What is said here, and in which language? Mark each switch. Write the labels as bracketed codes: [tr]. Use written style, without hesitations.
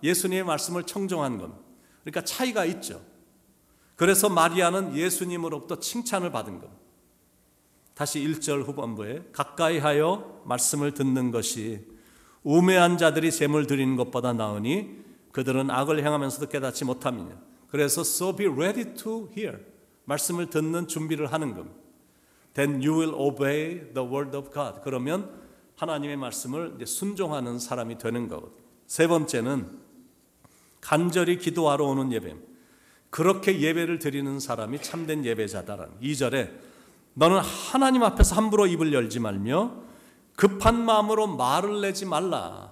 [ko] 예수님의 말씀을 청종한 것. 그러니까 차이가 있죠. 그래서 마리아는 예수님으로부터 칭찬을 받은 것. 다시 1절 후반부에 가까이 하여 말씀을 듣는 것이 우매한 자들이 제물 드리는 것보다 나으니 그들은 악을 향하면서도 깨닫지 못함이냐. 그래서 [en] so be ready to hear. [ko] 말씀을 듣는 준비를 하는 것. [en] Then you will obey the word of God. [ko] 그러면 하나님의 말씀을 이제 순종하는 사람이 되는 것. 세 번째는 간절히 기도하러 오는 예배. 그렇게 예배를 드리는 사람이 참된 예배자다라는. 2절에 너는 하나님 앞에서 함부로 입을 열지 말며 급한 마음으로 말을 내지 말라.